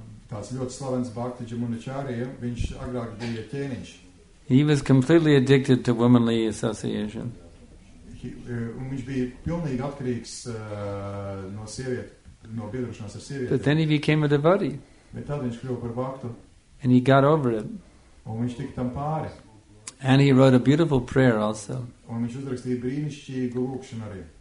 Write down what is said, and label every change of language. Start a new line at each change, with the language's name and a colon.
Latvian: Tāds ļoti slavens bhakti Jamunacharya, viņš agrāk bija ķēniņš.
English: He was completely addicted to womanly association.
Latvian: Un viņš bija pilnīgi atkarīgs no sievietes, no biedrošanās ar sievieti.
English: But then he became a devotee.
Latvian: Bet tad viņš kļuva par bhaktu.
English: And he got over it.
Latvian: Un viņš tika tam pāri.
English: And he wrote a beautiful prayer also.
Latvian: Un viņš uzrakstīja brīnišķīgu lūkšanu arī.